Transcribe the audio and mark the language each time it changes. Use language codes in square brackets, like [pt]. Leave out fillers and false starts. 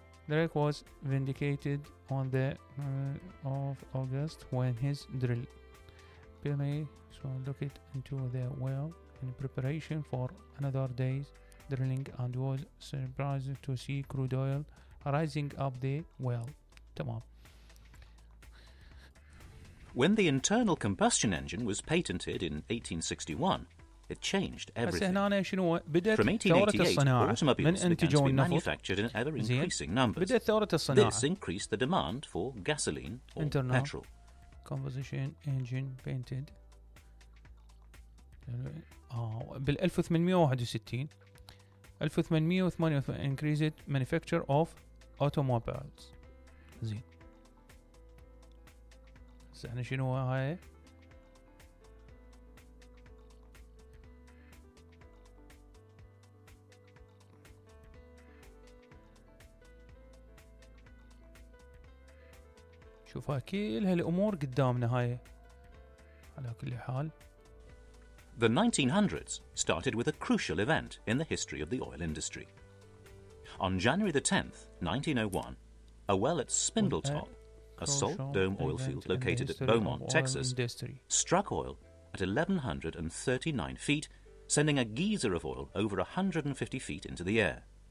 [en] Drake was vindicated on the of August when his drill Billy Swan looked into the well in preparation for another day's drilling and was surprised to see crude oil rising up the well. [ar] تمام. [en] When the internal combustion engine was patented in 1861, it changed everything. [ar] هسه هنا شنو بدأت ثورة الصناعة من انتجوا النفط. زين. بدأت ثورة الصناعة. [en] This increased the demand for gasoline or internal petrol. Combustion engine painted. [ar] بال 1861. [en] 1888 increased manufacture of automobiles. [ar] زين. احنا شنو هاي شوف هاي كل هالامور قدامنا هاي على كل حال. [en] The 1900s started with a crucial event in the history of the oil industry. On January the 10th, 1901, a well at Spindletop, a salt dome oil field located at Beaumont, Texas, struck oil at 1,139 feet, sending a geyser of oil over 150 feet into the air.